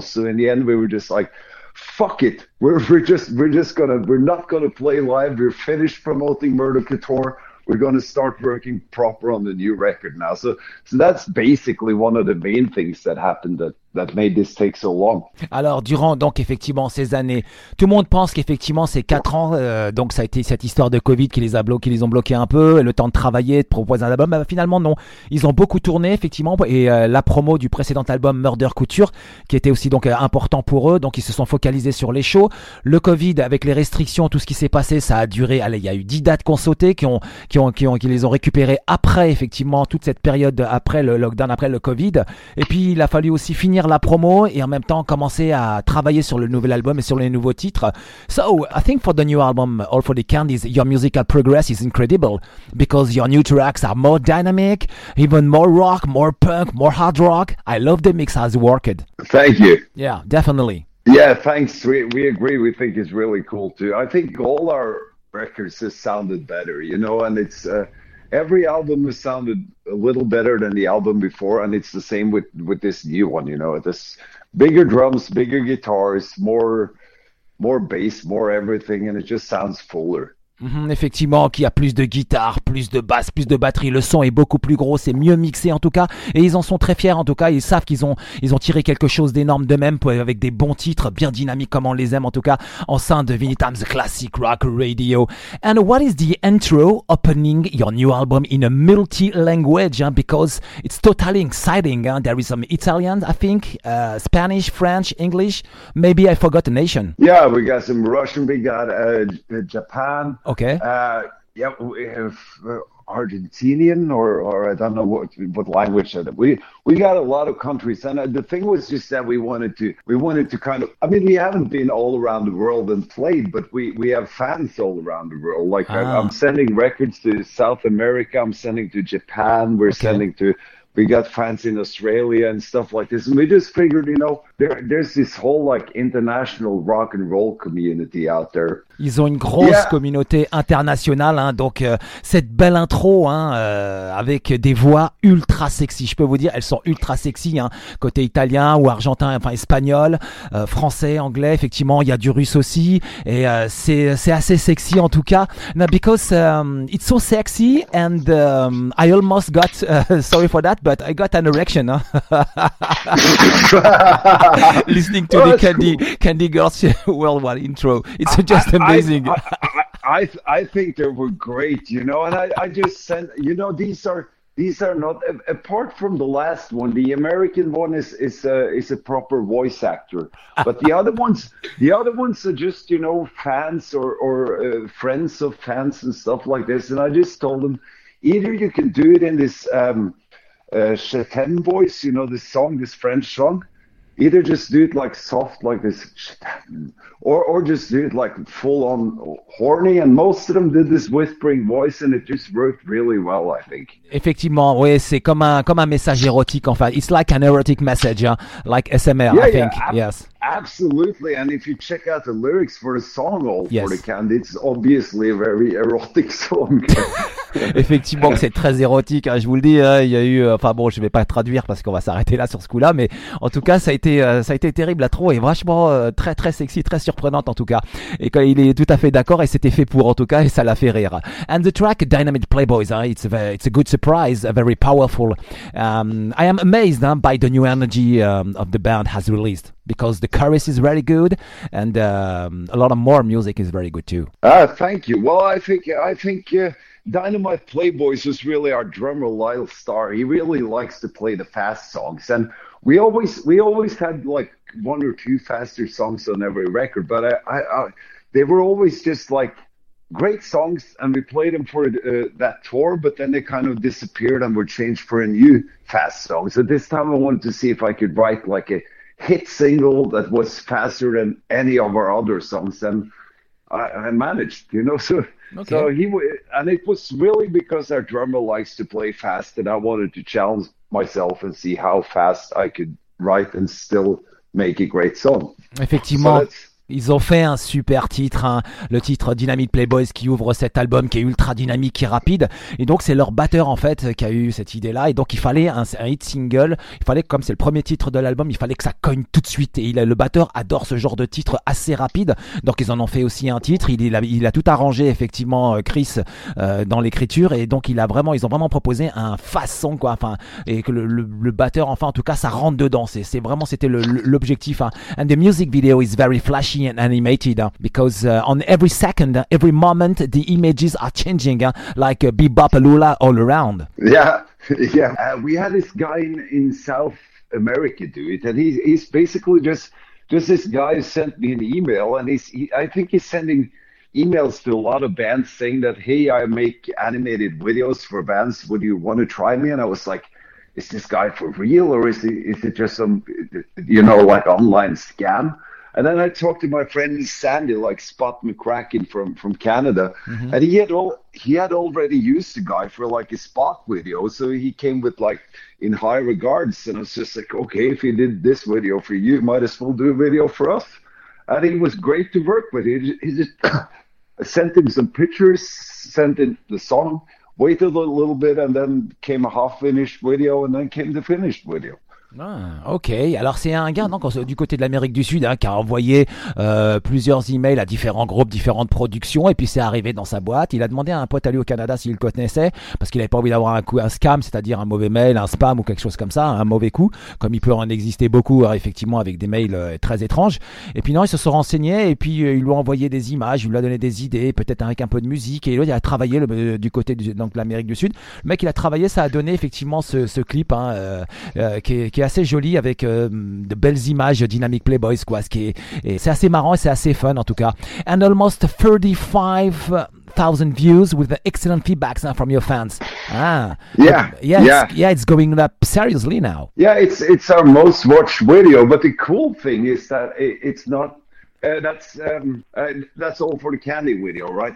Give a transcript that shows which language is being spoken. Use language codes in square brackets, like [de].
[en] So in the end, we were just like, fuck it. We're not going to play live. We're finished promoting Murder Couture. We're going to start working proper on the new record now. So that's basically one of the main things that happened that made this take so long. [fr] Alors, durant donc effectivement ces années, tout le monde pense qu'effectivement ces 4 ans, donc ça a été cette histoire de Covid qui les ont bloqués un peu, le temps de travailler, de proposer un album. Mais finalement, non. Ils ont beaucoup tourné, effectivement, et la promo du précédent album Murder Couture, qui était aussi donc important pour eux, donc ils se sont focalisés sur les shows. Le Covid, avec les restrictions, tout ce qui s'est passé, ça a duré. Allez, il y a eu 10 dates qu'on sautait, qui les ont récupérées après, effectivement, toute cette période après le lockdown, après le Covid. Et puis, il a fallu aussi finir la promo et en même temps commencer à travailler sur le nouvel album et sur les nouveaux titres. [en] So I think for the new album All for the Candy, your musical progress is incredible because your new tracks are more dynamic, even more rock, more punk, more hard rock. I love the mix as worked. Thank you. Yeah, definitely. Yeah, thanks. We agree. We think it's really cool too. I think all our records just sounded better, you know, and it's every album has sounded a little better than the album before, and it's the same with this new one, you know, this bigger drums, bigger guitars, more bass, more everything, and it just sounds fuller. [fr] Effectivement, qu'il y a plus de guitare, plus de basse, plus de batterie, le son est beaucoup plus gros, c'est mieux mixé en tout cas, et ils en sont très fiers en tout cas. Ils savent qu'ils ont tiré quelque chose d'énorme d'eux-mêmes, avec des bons titres bien dynamiques comme on les aime en tout cas en sein de Vinyl Times Classic Rock Radio. [en] And what is the intro opening your new album in a multi-language, hein, because it's totally exciting, hein? There is some Italian, I think, Spanish, French, English, maybe I forgot a nation. Yeah, we got some Russian, we got Japan. Okay. We have Argentinian, or I don't know what language that we got a lot of countries. And the thing was just that we wanted to kind of, I mean, we haven't been all around the world and played, but we have fans all around the world. Like I'm sending records to South America. I'm sending to Japan. We got fans in Australia and stuff like this. And we just figured, you know, there's this whole like international rock and roll community out there. [fr] Ils ont une grosse communauté internationale, hein, donc cette belle intro, hein, avec des voix ultra sexy. Je peux vous dire, elles sont ultra sexy, hein, côté italien ou argentin, enfin espagnol, français, anglais. Effectivement, il y a du russe aussi, et c'est assez sexy en tout cas. [en] Now because it's so sexy, and I almost got sorry for that, but I got an erection. Hein. Listening to the Candy cool. Candy Girls Worldwide intro. It's just amazing. I think they were great, you know, and I just sent, you know, these are not, apart from the last one, the American one is a proper voice actor, but the other ones are just, you know, fans or friends of fans and stuff like this. And I just told them, either you can do it in this Chetan voice, you know, this song, this French song. Either just do it like soft like this, or just do it like full on horny, and most of them did this whispering voice and it just worked really well, I think. [fr] Effectivement, oui, c'est comme un message érotique en fait. [en] It's like an erotic message, hein? Like SMR, yeah, I think. Yes. Absolutely, and if you check out the lyrics for a song all for the Candy, it's obviously a very erotic song. [fr] Effectivement que c'est très érotique, hein, je vous le dis, hein, il y a eu, enfin bon, je vais pas traduire parce qu'on va s'arrêter là sur ce coup-là, mais en tout cas ça a été terrible, la trop, et vachement très très sexy, très surprenante en tout cas, et quand il est tout à fait d'accord, et c'était fait pour en tout cas, et ça l'a fait rire. [en] And the track Dynamite Playboys, hein, it's a good surprise, very powerful. I am amazed, hein, by the new energy of the band has released, because the chorus is really good, and a lot of more music is very good too. Thank you. Well, I think Dynamite Playboys is really our drummer, Lyle Starr. He really likes to play the fast songs, and we always had like one or two faster songs on every record, but I they were always just like great songs, and we played them for that tour, but then they kind of disappeared and were changed for a new fast song. So this time I wanted to see if I could write like a hit single that was faster than any of our other songs, and I managed, you know. So okay. So he and it was really because our drummer likes to play fast, and I wanted to challenge myself and see how fast I could write and still make a great song. [fr] Effectivement. So ils ont fait un super titre, hein, le titre Dynamite Playboys, qui ouvre cet album qui est ultra dynamique et rapide. Et donc c'est leur batteur en fait qui a eu cette idée là et donc il fallait un hit single. Il fallait, comme c'est le premier titre de l'album, il fallait que ça cogne tout de suite. Et le batteur adore ce genre de titre assez rapide. Donc ils en ont fait aussi un titre. Il a tout arrangé effectivement, Chris, dans l'écriture. Et donc ils ont vraiment proposé un [en] fast song, [fr] quoi. Enfin, et que le batteur, enfin en tout cas, ça rentre dedans. C'était l'objectif, hein. [en] And the music video is very flashy and animated, because on every second, every moment, the images are changing, like Bebop Lula all around. Yeah. We had this guy in South America do it, and he's basically just this guy who sent me an email, and he's sending emails to a lot of bands saying that, hey, I make animated videos for bands, would you want to try me? And I was like, is this guy for real, or is it just some, you know, like online scam? And then I talked to my friend Sandy, like Spot McCracken from Canada, mm-hmm. and he had already used the guy for like a Spock video, so he came with like in high regards, and I was just like, okay, if he did this video for you, might as well do a video for us. And it was great to work with. He just sent him some pictures, sent in the song, waited a little bit, and then came a half finished video, and then came the finished video. [fr] Ah, ok, alors c'est un gars, donc, du côté de l'Amérique du Sud, hein, qui a envoyé plusieurs emails à différents groupes, différentes productions, et puis c'est arrivé dans sa boîte. Il a demandé à un pote à lui au Canada s'il le connaissait, parce qu'il n'avait pas envie d'avoir un scam, c'est-à-dire un mauvais mail, un spam ou quelque chose comme ça, un mauvais coup, comme il peut en exister beaucoup, hein, effectivement, avec des mails très étranges. Et puis non, ils se sont renseignés, et puis ils lui ont envoyé des images, il lui a donné des idées, peut-être avec un peu de musique, et là, il a travaillé du côté de l'Amérique du Sud. Le mec, il a travaillé, ça a donné effectivement ce clip, hein, qui est est assez joli avec de belles images Dynamic Playboys, quoi. Ce qui est, et c'est assez marrant et c'est assez fun en tout cas. [en] And almost 35,000 views with the excellent feedbacks from your fans. Ah, yeah, but, yeah, it's going up seriously now. Yeah, it's our most watched video. But the cool thing is that it's not. That's all for the candy video, right?